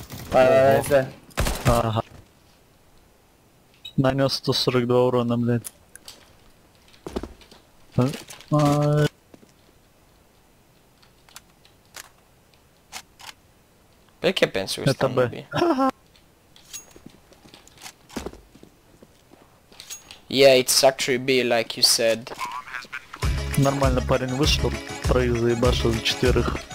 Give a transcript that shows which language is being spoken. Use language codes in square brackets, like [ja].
[ru] Ага. Нанес 142 урона, блядь. [it] Perché penso che stanno qui? [en] Yeah, it's actually B like you said. [ru] Нормально парень вышел, троих заебашил за четверых.